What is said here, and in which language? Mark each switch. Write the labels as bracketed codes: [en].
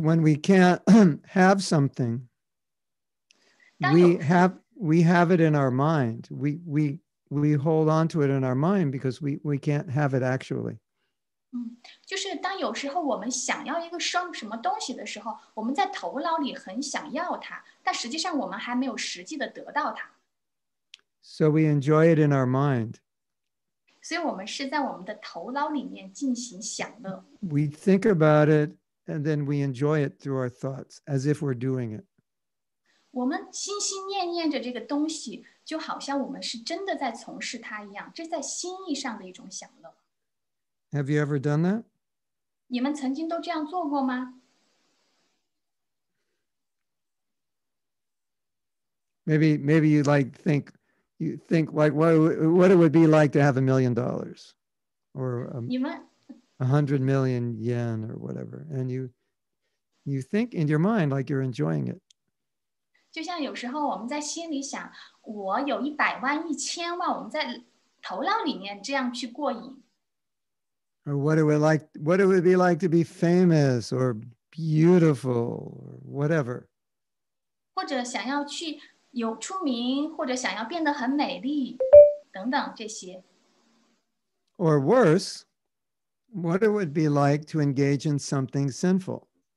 [en] when we can't have something, we have it in our mind. We we hold on to it in our mind because we can't have it actually. [zh] 就是当有时候我们想要一个什么东西的时候, 我们在头脑里很想要它, 但实际上我们还没有实际的得到它。 [en] So we enjoy it in our mind. [zh] 所以我们是在我们的头脑里面进行享乐。 [en] We think about it and then we enjoy it through our thoughts as if we're doing it. [zh] 我们心心念念着这个东西, 就好像我们是真的在从事它一样, 这在心意上的一种享乐。 [en] Have you ever done that? [zh] 你们曾经都这样做过吗? [en] Maybe you like think, you think like what it would be like to have $1 million or $100 million or whatever. And you think in your mind like you're enjoying it. [zh] 就像有时候我们在心里想, 我有100万, 1000万, 我们在头脑里面这样去过瘾。 [en] Or what it would be like to be famous or beautiful or whatever. [zh] 或者想要去有出名, 或者想要变得很美丽, 等等这些。 [en] Or worse, what it would be like to engage in something sinful.